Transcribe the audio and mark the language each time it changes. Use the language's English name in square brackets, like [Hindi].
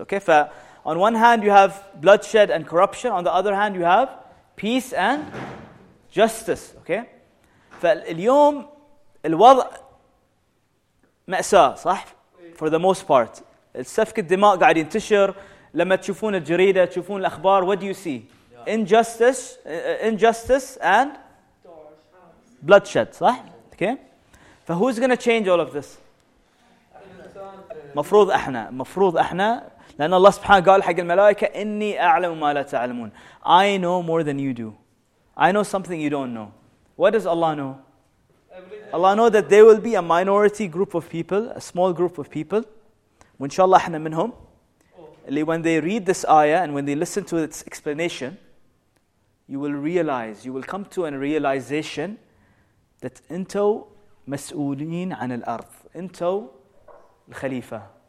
[English] okay ف on one hand you have bloodshed and corruption, on the other hand you have peace and justice. [Arabic] okay فاليوم الوضع مأساة, صح؟ [English] for the most part [Arabic] سفك الدماء قاعد ينتشر. لما تشوفون الجريدة تشوفون الأخبار, [English] what do you see? Injustice and bloodshed, صح؟ okay ف who's gonna change all of this? [Arabic] مفروض احنا لأن الله سبحانه قال حق الملائكة إني أعلم ما لا تعلمون. [English] I know more than you do. I know something you don't know. What does Allah know? Allah know that there will be a minority group of people, a small group of people, inshallah [Arabic] ahna minhum, [English] when they read this ayah and when they listen to its explanation, you will realize, you will come to a realization that [Arabic] into mas'ulin an al-ard, into al-khalifa.